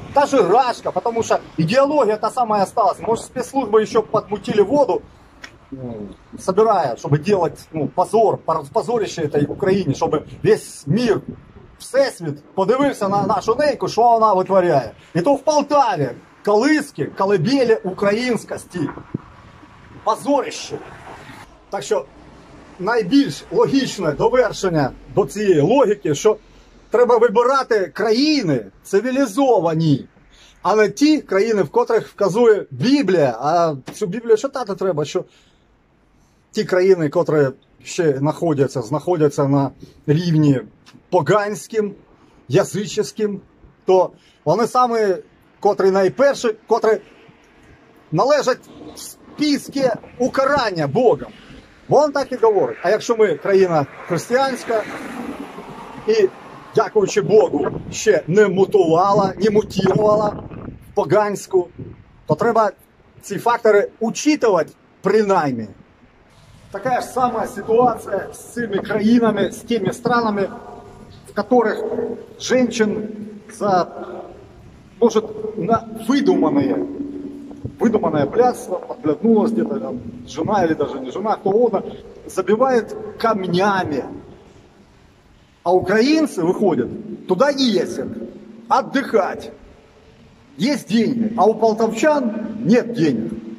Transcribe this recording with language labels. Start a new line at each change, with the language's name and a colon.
Russian: Та же Рашка, потому что идеология та самая осталась. Может, спецслужбы еще подмутили воду, собирая, чтобы делать, ну, позор, позорище этой Украине, чтобы весь мир,
Ukrainian: всесвіт подивився на нашу нейку,
Russian: что она вытворяет. И то в Полтаве колыски, колыбели украинскости. Позорище. Так что...
Ukrainian: Найбільш логічне довершення до цієї логіки, що треба вибирати країни цивілізовані, а не ті країни, в котрих вказує Біблія. А цю Біблію читати треба, що ті країни, котрі ще знаходяться на рівні поганським, язичним, то вони самі, котрі найперші, котрі належать в списку укарання Богом. Вон так і говорить. А якщо ми країна християнська і, дякуючи Богу, ще не мутувала, не мутірувала в поганську, то треба ці фактори учитувати принаймні. Така ж сама ситуація з цими країнами,
Russian: з тими странами,
Ukrainian: в яких жінки за, може, на видумані.
Russian: Выдуманное блядство, подглянулась где-то там, жена или даже не жена, кто она, забивает камнями. А украинцы выходят, туда ездят, отдыхать, есть деньги, а у полтавчан нет денег.